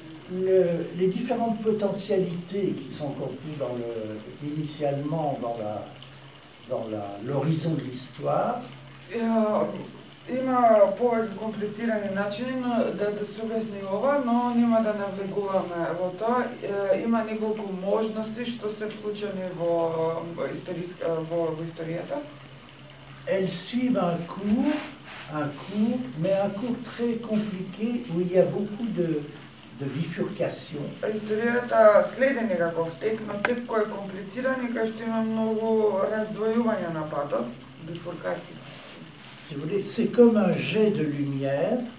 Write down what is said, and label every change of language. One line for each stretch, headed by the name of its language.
French: Les différentes potentialités qui sont contenues dans le, initialement dans la, l'horizon de l'histoire.
Macedonian: Има повеќе комплицирани начини да да се обясни ова, но нема да навлегуваме во тоа. Има неколку можности што се вклучени во историска во, во историјата.
French: Elle suit un cours, mais un cours très compliqué où il y a beaucoup de bifurcation.
Macedonian: Историјата следи некаков тек, но тек кој е комплициран и кај што има многу раздвојување на патот, бифуркација.
French: Si vous voulez, c'est comme un jet de lumière.